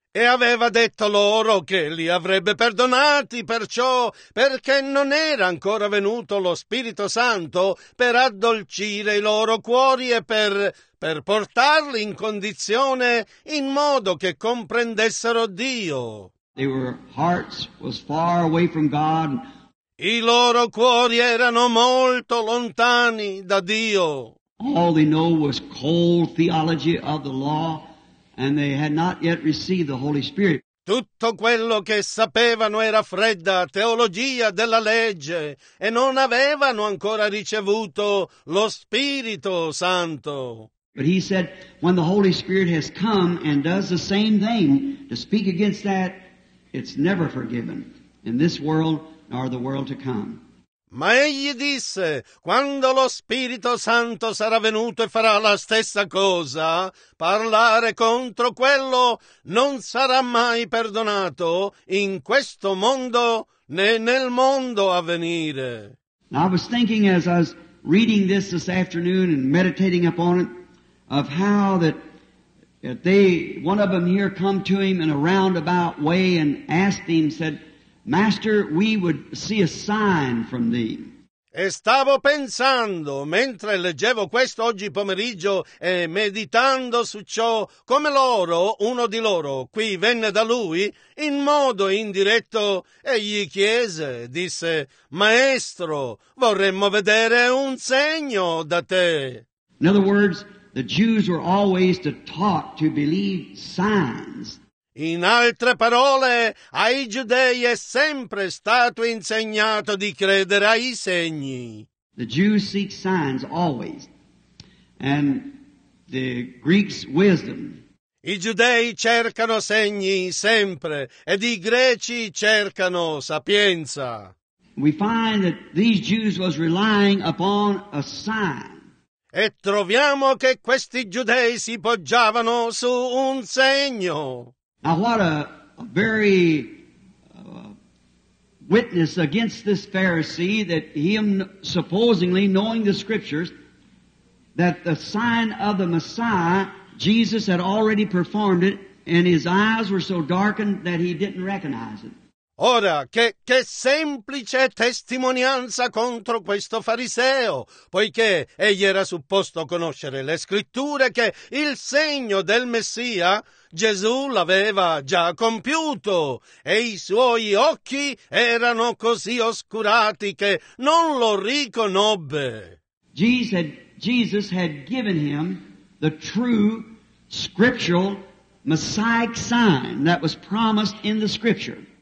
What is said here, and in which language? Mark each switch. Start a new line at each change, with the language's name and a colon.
Italian: E aveva detto loro che li avrebbe perdonati, perciò, perché non era ancora venuto lo Spirito Santo per addolcire i loro cuori e per portarli in condizione in modo che comprendessero Dio.
English: Their hearts was far away from God.
Italian: I loro cuori erano molto lontani da Dio.
English: All they know was cold theology of the law. And they had not yet received the Holy Spirit.
Italian: Tutto quello che sapevano era fredda teologia della legge e non avevano ancora ricevuto lo Spirito Santo.
English: But he said, when the Holy Spirit has come and does the same thing, to speak against that, it's never forgiven in this world nor the world to come.
Italian: Ma egli disse, quando lo Spirito Santo sarà venuto e farà la stessa cosa, parlare contro quello non sarà mai perdonato in questo mondo né nel mondo a venire.
English: Now I was thinking as I was reading this afternoon and meditating upon it, of how that they, one of them here come to him in a roundabout way and asked him, said, Master, we would see a sign from thee.
Italian: E stavo pensando, mentre leggevo questo oggi pomeriggio e meditando su ciò, come loro, uno di loro, qui venne da lui, in modo indiretto, e gli chiese, disse, Maestro, vorremmo vedere un segno da te.
English: In other words, the Jews were always taught to believe signs.
Italian: In altre parole, ai giudei è sempre stato insegnato di credere ai segni.
English: The Jews seek signs always, and the Greeks wisdom.
Italian: I giudei cercano segni sempre, ed i greci cercano sapienza.
English: We find that these Jews was relying upon a sign.
Italian: E troviamo che questi giudei si poggiavano su un segno.
English: Now what a very witness against this Pharisee that him supposedly knowing the scriptures that the sign of the Messiah, Jesus had already performed it and his eyes were so darkened that he didn't recognize it.
Italian: Ora, che semplice testimonianza contro questo fariseo, poiché egli era supposto conoscere le scritture che il segno del Messia, Gesù l'aveva già compiuto, e i suoi occhi erano così oscurati che non lo riconobbe.
English: Jesus had given him the true scriptural Messiah sign that was promised in the scripture.